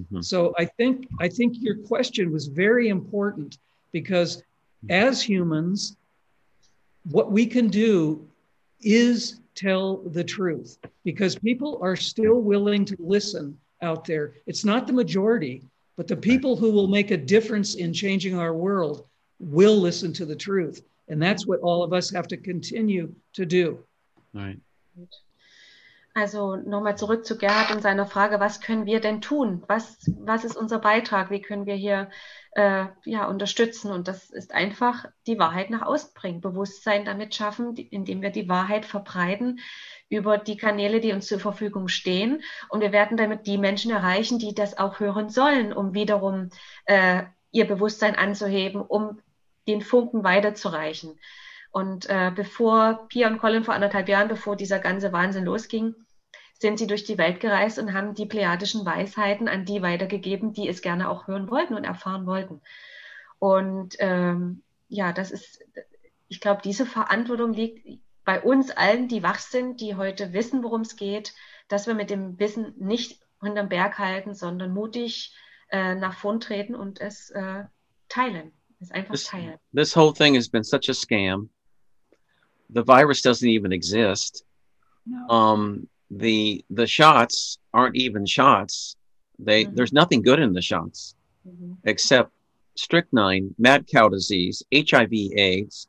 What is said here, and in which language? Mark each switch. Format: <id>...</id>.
<en>So I think your question was very important because as humans, what we can do is tell the truth because people are still willing to listen out there. It's not the majority, but the people who will make a difference in changing our world will listen to the truth. And that's what all of us have to continue to do. Right.</en> <de>Also nochmal zurück zu Gerhard und seiner Frage, was können wir denn tun? Was ist unser Beitrag? Wie können wir hier ja, unterstützen? Und das ist einfach die Wahrheit nach außen bringen, Bewusstsein damit schaffen, indem wir die Wahrheit verbreiten über die Kanäle, die uns zur Verfügung stehen. Und wir werden damit die Menschen erreichen, die das auch hören sollen, um wiederum ihr Bewusstsein anzuheben, um den Funken weiterzureichen. Und bevor Pia und Colin vor anderthalb Jahren, bevor dieser ganze Wahnsinn losging, sind sie durch die Welt gereist und haben die plejadischen Weisheiten an die weitergegeben, die es gerne auch hören wollten und erfahren wollten. Und ja, das ist, ich glaube, diese Verantwortung liegt bei uns allen, die wach sind, die heute wissen, worum es geht, dass wir mit dem Wissen nicht hinterm Berg halten, sondern mutig nach vorn treten und es teilen.</de> <en>This whole thing has been such a scam. The virus doesn't even exist. No. The shots aren't even shots. There's nothing good in the shots, except strychnine, mad cow disease, HIV, AIDS.</en>